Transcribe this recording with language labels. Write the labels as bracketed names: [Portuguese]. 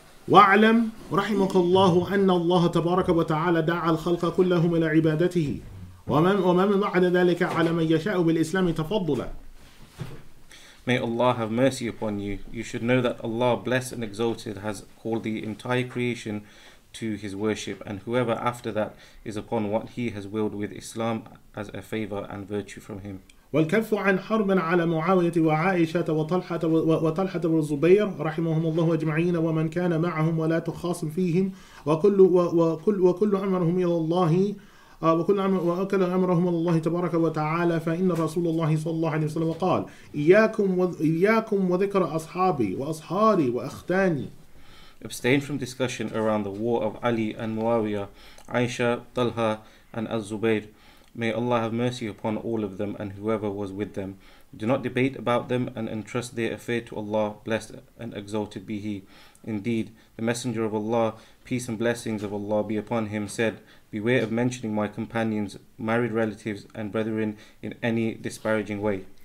[Arabic] وَعْلَمْ رَحِمُكَ اللَّهُ أَنَّ اللَّهَ تَبَارَكَ وَتَعَالَى دَعَى الْخَلْقَ كُلَّهُمْ إِلَى عِبَادَتِهِ وَمَنْ بَعْدَ ذَلِكَ عَلَى مَنْ يَشَاءُ بِالْإِسْلَامِ تَفَضُّلًا. [English] May Allah have mercy upon you. You should know that Allah, blessed and exalted, has called the entire creation to his worship, and whoever after that is upon what he has willed with Islam as a favor and virtue from him. [Arabic] والكف عن حرب على معاوية وعائشة وطلحة وطلحة والزبير رحمهم الله أجمعين ومن كان معهم ولا تخاصم فيهم وكل وكل وكل أمرهم إلى الله وكل أمر وأكل أمرهم إلى الله تبارك وتعالى فإن رسول الله صلى الله عليه وسلم قال إياكم وذكر أصحابي وأصحاري وأختاني. [English] Abstain from discussion around the war of Ali and Muawiyah, Aisha, Talha and Az-Zubayr. May Allah have mercy upon all of them and whoever was with them. Do not debate about them and entrust their affair to Allah, blessed and exalted be He. Indeed, the Messenger of Allah, peace and blessings of Allah be upon him, said, Beware of mentioning my companions, married relatives and brethren in any disparaging way.